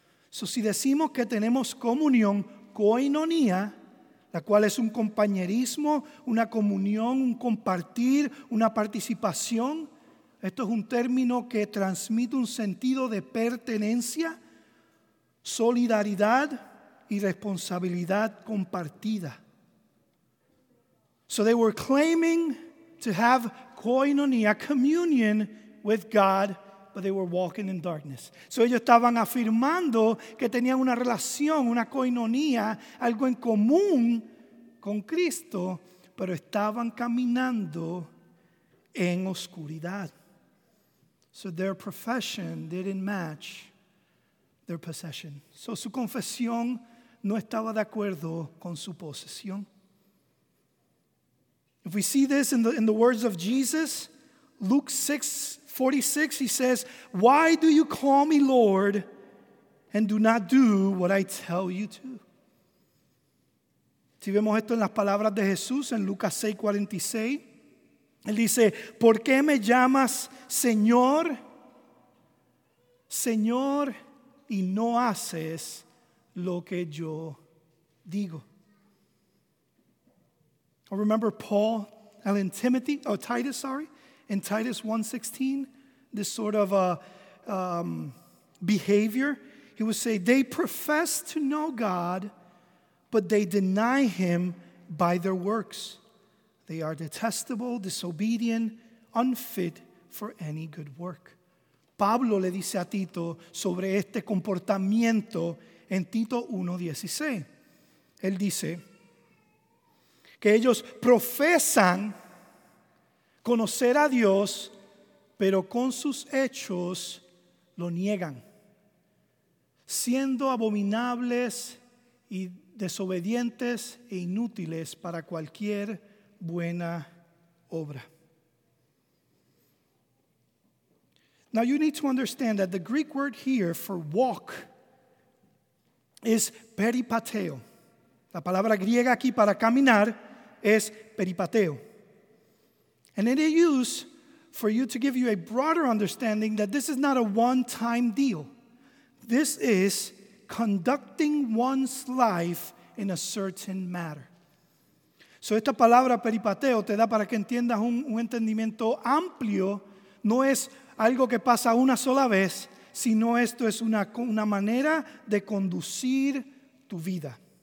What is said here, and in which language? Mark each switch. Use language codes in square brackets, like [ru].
[es] So si decimos que tenemos comunión, koinonia, la cual es un compañerismo, una comunión, un compartir, una participación. Esto es un término que transmite un sentido de pertenencia, solidaridad y responsabilidad compartida. [en] So they were claiming to have koinonia, communion with God, but they were walking in darkness. [es] So ellos estaban afirmando que tenían una relación, una koinonia, algo en común con Cristo, pero estaban caminando en oscuridad. [en] So their profession didn't match their possession. [es] So su confesión no estaba de acuerdo con su posesión. [en] If we see this in the words of Jesus, Luke 6:46, he says, "Why do you call me Lord and do not do what I tell you to?" [es] Si vemos esto en las palabras de Jesús en Lucas 6:46, él dice, "¿Por qué me llamas Señor, Señor, y no haces lo que yo digo?" [en] I remember Paul, Ellen Timothy, oh Titus, sorry, in Titus 1:16, this sort of behavior, he would say, "They profess to know God, but they deny him by their works. They are detestable, disobedient, unfit for any good work." [es] Pablo le dice a Tito sobre este comportamiento en Tito 1:16. Él dice que ellos profesan conocer a Dios, pero con sus hechos lo niegan, siendo abominables y desobedientes e inútiles para cualquier buena obra. [en] Now you need to understand that the Greek word here for walk is peripateo. [es] La palabra griega aquí para caminar es peripateo. [en] And it is used for you to give you a broader understanding that this is not a one-time deal. This is conducting one's life in a certain matter. [es] So esta palabra peripateo te da para que entiendas un entendimiento amplio. No es algo que pasa una sola vez, sino esto es una manera de conducir tu vida.